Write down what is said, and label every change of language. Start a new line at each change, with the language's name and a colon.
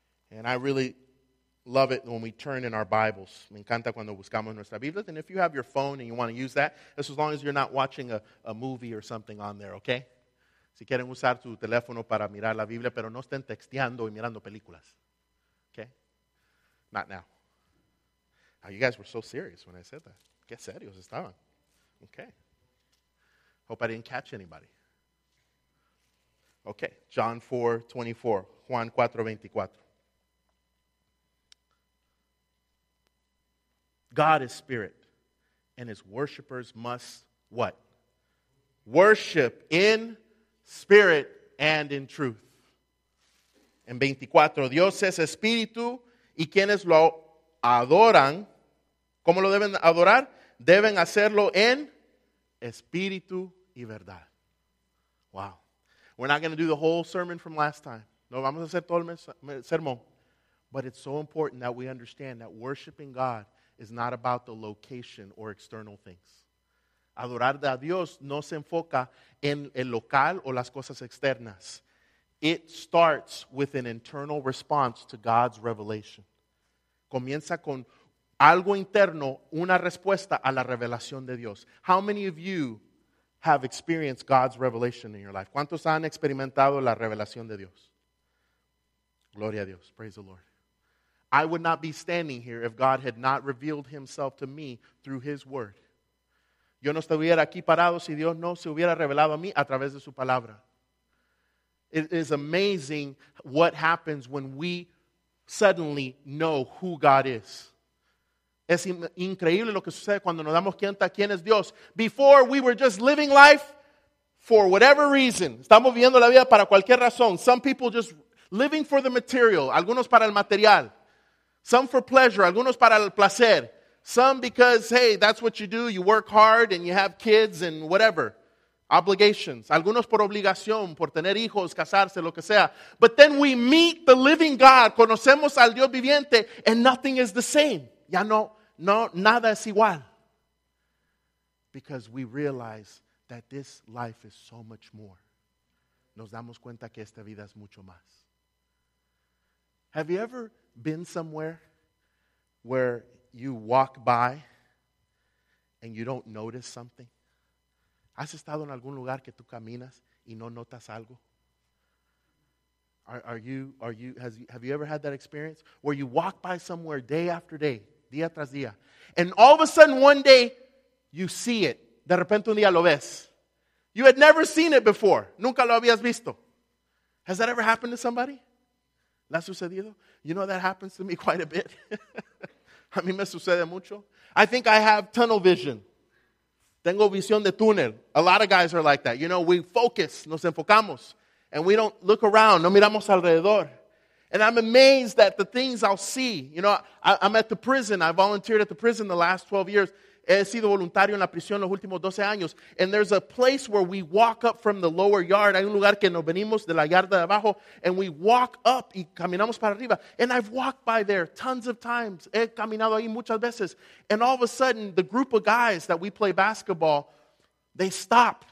English: And I really love it when we turn in our Bibles.
Spanish: Me encanta cuando buscamos nuestra Biblia.
English: And if you have your phone and you want to use that, that's as long as you're not watching a movie or something on there, okay?
Spanish: Si quieren usar tu teléfono para mirar la Biblia, pero no estén texteando y mirando películas.
English: Okay? Not now. Oh, you guys were so serious when I said that.
Spanish: Qué serios estaban.
English: Okay. Hope I didn't catch anybody. Okay. John 4:24. Juan 4:24. God is spirit, and his worshipers must what? Worship in spirit and in truth.
Spanish: En 24. Dios es espíritu, y quienes lo adoran, ¿cómo lo deben adorar? Deben hacerlo en espíritu y verdad. Wow.
English: We're not going to do the whole sermon from last time.
Spanish: No vamos a hacer todo el sermón.
English: But it's so important that we understand that worshiping God is not about the location or external things.
Spanish: Adorar a Dios no se enfoca en el local o las cosas externas.
English: It starts with an internal response to God's revelation.
Spanish: Comienza con algo interno, una respuesta a la revelación de Dios.
English: How many of you have experienced God's revelation in your life?
Spanish: ¿Cuántos han experimentado la revelación de Dios? Gloria a Dios.
English: Praise the Lord. I would not be standing here if God had not revealed himself to me through his word.
Spanish: Yo no estuviera aquí parado si Dios no se hubiera revelado a mí a través de su palabra.
English: It is amazing what happens when we suddenly know who God is.
Spanish: Es increíble lo que sucede cuando nos damos cuenta quién es Dios.
English: Before, we were just living life for whatever reason.
Spanish: Estamos viviendo la vida para cualquier razón.
English: Some people just living for the material.
Spanish: Algunos para el material.
English: Some for pleasure.
Spanish: Algunos para el placer.
English: Some because, hey, that's what you do. You work hard and you have kids and whatever. Obligations.
Spanish: Algunos por obligación, por tener hijos, casarse, lo que sea.
English: But then we meet the living God.
Spanish: Conocemos al Dios viviente
English: and nothing is the same.
Spanish: Ya no, no, nada es igual.
English: Because we realize that this life is so much more.
Spanish: Nos damos cuenta que esta vida es mucho más.
English: Have you ever been somewhere where you walk by and you don't notice something?
Spanish: ¿Has estado en algún lugar que tú caminas y no notas algo?
English: Have you ever had that experience where you walk by somewhere day after day,
Spanish: día tras día,
English: and all of a sudden one day you see it?
Spanish: De repente un día lo ves.
English: You had never seen it before.
Spanish: Nunca lo habías visto.
English: Has that ever happened to somebody?
Spanish: ¿La ha sucedido?
English: You know, that happens to me quite a bit.
Spanish: A mí me sucede mucho.
English: I think I have tunnel vision.
Spanish: Tengo visión de túnel.
English: A lot of guys are like that. You know, we focus,
Spanish: nos enfocamos,
English: and we don't look around,
Spanish: no miramos alrededor.
English: And I'm amazed at the things I'll see. You know, I'm at the prison. I volunteered at the prison the last 12 years.
Spanish: He sido voluntario en la prisión los últimos 12 años.
English: And there's a place where we walk up from the lower yard.
Spanish: Hay un lugar que nos venimos de la yarda de abajo.
English: And we walk up
Spanish: y caminamos para arriba.
English: And I've walked by there tons of times.
Spanish: He caminado ahí muchas veces.
English: And all of a sudden, the group of guys that we play basketball, they stop.